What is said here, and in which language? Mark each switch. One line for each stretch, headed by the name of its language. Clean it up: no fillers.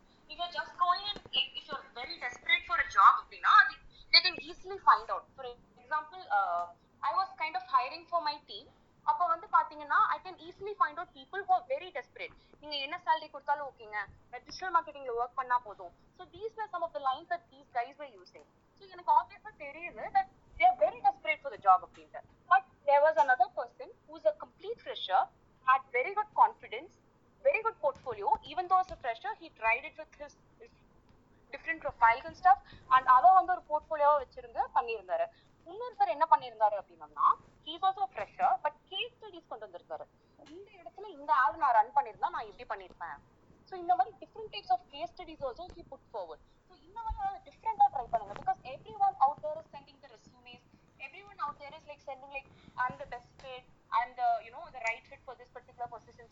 English: if you are just going and if you are very desperate for a job
Tamil: அப்படின்னா,
English: They can easily find out. For example, I was kind of hiring for my team.
Tamil: அப்ப வந்து பாத்தீங்கன்னா,
English: I can easily find out people who are very desperate.
Tamil: நீங்க என்ன salary கொடுத்தாலும் okay, digital marketing ல work பண்ணா போதும்.
English: So these were some of the lines that these guys were using. So
Tamil: எனக்கு obviously தெரியுது
English: that they are very desperate for the job appointed. But there was another person who is a complete fresher, had very good confidence, very good portfolio. Even though as a fresher, he tried it with his different profiles and stuff.
Tamil: And அவர் வந்து ஒரு portfolio வச்சிருந்து பண்ணியிருந்தாரு. இன்னொருத்தர் என்ன பண்ணிருந்தாரு அப்படின்னா,
English: he's also fresher but case studies
Tamil: கொண்டு வந்திருக்காரு. இந்த இடத்துல இந்த ஆட் நான் ரன் பண்ணிருந்தா நான் எப்படி பண்ணிருப்பேன்.
English: So இந்த மாதிரி different types of case studies also he put forward. So
Tamil: இந்த மாதிரி டிஃப்ரெண்டா ட்ரை பண்ணுங்க,
English: Because everyone out there is sending the resumes, everyone out there is like sending like and the best fit and you know the right fit for this particular position.